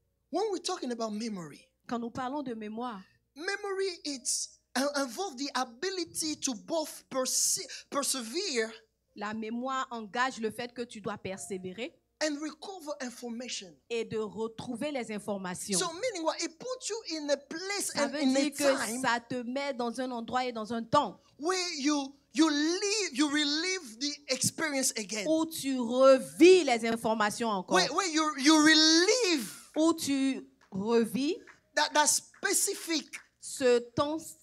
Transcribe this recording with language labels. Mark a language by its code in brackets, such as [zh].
[en] When we're talking about memory. [fr] Quand nous parlons de mémoire. [en] Memory it's. Involve the ability to both persevere. [fr] La mémoire engage le fait que tu dois persévérer. [en] And recover information. [fr] Et de retrouver les informations. [en] So meaning what? It puts you in a place [fr] ça [en] and in a time. [fr] Ça veut dire que ça te met dans un endroit et dans un temps. [en] Where you relive the experience again. [fr] Où tu revis les informations encore. [en] Where you relive. [fr] Où tu revis. [en] That specific. [fr] Ce temps.